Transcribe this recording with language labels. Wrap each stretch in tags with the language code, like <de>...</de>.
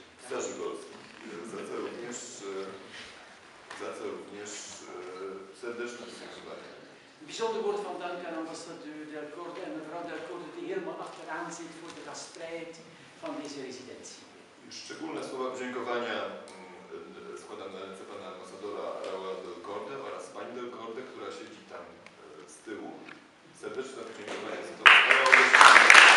<pl>Za co również serdeczne podziękowania.</pl> <nl>Bijzonder woord van dank aan ambassadeur Delcorte en mevrouw Delcorte die helemaal achteraan zit voor de gastvrijheid van deze residentie.</nl> <pl>Szczególne słowa podziękowania składam na ręce pana ambasadora Raula Delcorte oraz pani Delcorte, która siedzi tam z tyłu. Serdeczne podziękowania za to.</pl>